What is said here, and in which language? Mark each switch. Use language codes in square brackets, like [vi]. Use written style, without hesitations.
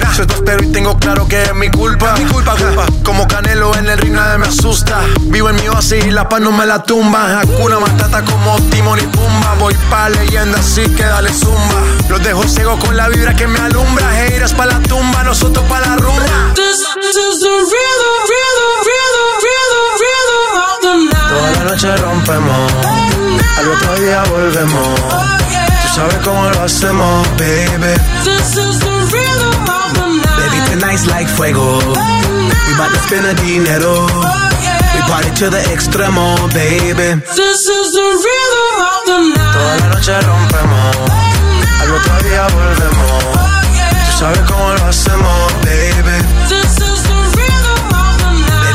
[es] Yo te espero y tengo claro que es mi culpa. Mi culpa, culpa. Como Canelo en el ring, nadie me asusta. Vivo en mi oasis y la paz no me la tumba. Hakuna Matata como Timón y Pumba. Voy pa' leyenda, así que dale zumba. Los dejo ciego con la vibra que me alumbra. Hey, eres pa' la tumba, nosotros pa' la rumba. [en] This is the rhythm, rhythm, rhythm, rhythm, rhythm of the night. [es] Toda la noche rompemos, al otro día volvemos. Sabes cómo lo hacemos, baby. [en] This is the rhythm of the night. Baby, tonight's like fuego. We about to spend the dinero. We party to the extremo, baby. This is the rhythm of the night. [es] Toda la noche rompemos. Al otro día volvemos. [en] Oh, yeah. [es] Tú sabes cómo lo hacemos, baby. [en] This is the rhythm of the night.